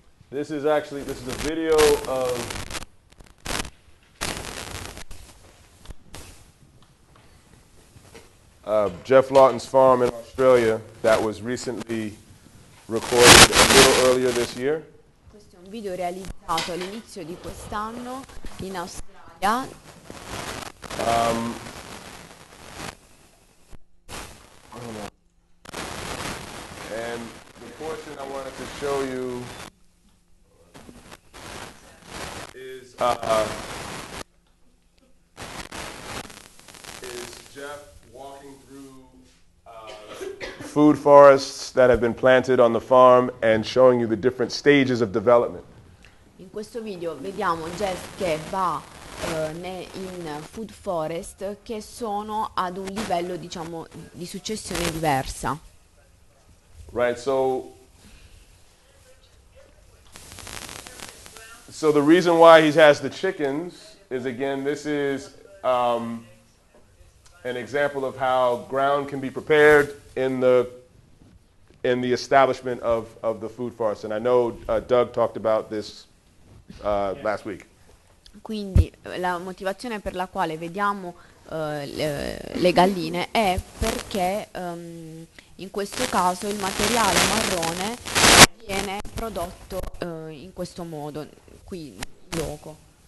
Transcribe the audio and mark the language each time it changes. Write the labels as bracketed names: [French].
[English] This is a video of Jeff Lawton's farm in Australia that was recently recorded a little earlier this year. [Italian] Questo è un video realizzato all'inizio di quest'anno in Australia. [English] And the portion I wanted to show you is Jeff walking through food forests that have been planted on the farm and showing you the different stages of development. [Italian] In questo video vediamo Jeff che va in food forest che sono ad un livello, diciamo, di successione diversa. [English] Right, so the reason why he has the chickens is, again, this is an example of how ground can be prepared in the establishment of the food forest. And I know Doug talked about this last week. [Italian] Quindi la motivazione per la quale vediamo le galline è perché in questo caso il materiale marrone viene prodotto in questo modo, qui in loco.